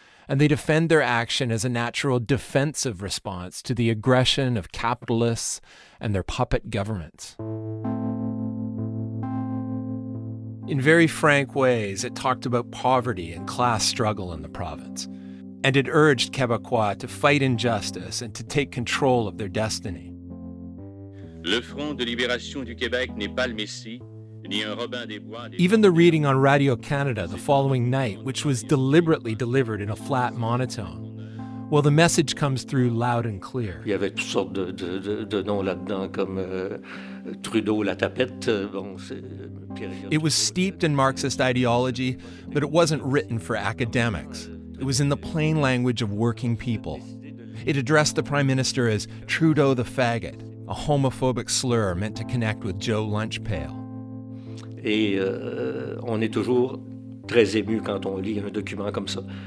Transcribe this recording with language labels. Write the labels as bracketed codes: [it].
[en] And they defend their action as a natural defensive response to the aggression of capitalists and their puppet governments. In very frank ways, it talked about poverty and class struggle in the province. And it urged Québécois to fight injustice and to take control of their destiny. [fr] Le Front de Libération du Québec n'est pas le Messie. [en] Even the reading on Radio Canada the following night, which was deliberately delivered in a flat monotone, well, the message comes through loud and clear. [fr] Il y avait toutes sortes de noms là-dedans, comme Trudeau, la tapette. Bon, [en] it was steeped in Marxist ideology, but it wasn't written for academics. It was in the plain language of working people. It addressed the Prime Minister as Trudeau the faggot, a homophobic slur meant to connect with Joe Lunchpail. [fr] Et on est toujours très ému quand on lit un document comme ça.